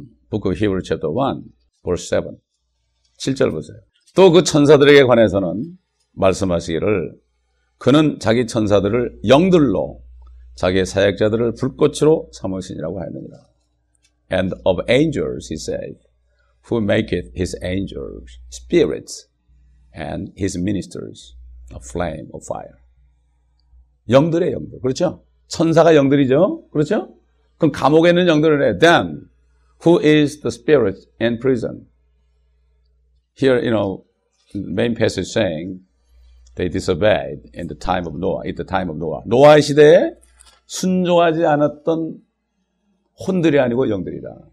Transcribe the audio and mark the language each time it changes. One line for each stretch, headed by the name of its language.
English: Book of Hebrews chapter 1, verse 7.
Korean: 7절 보세요. 또 그 천사들에게 관해서는 말씀하시기를 그는 자기 천사들을 영들로 자기의 사역자들을 불꽃으로 삼으시니라고 하였느니라.
English: And of angels, he said, who maketh his angels spirits and his ministers a flame of fire.
Korean: 영들의 영들, 그렇죠? 천사가 영들이죠? 그렇죠? 그럼 감옥에 있는 영들을 해.
English: Then, who is the spirit in prison? Here, you know, the main passage saying, they disobeyed in the time of Noah, in the time of Noah.
Korean: 노아의 시대에 순종하지 않았던 혼들이 아니고 영들이다.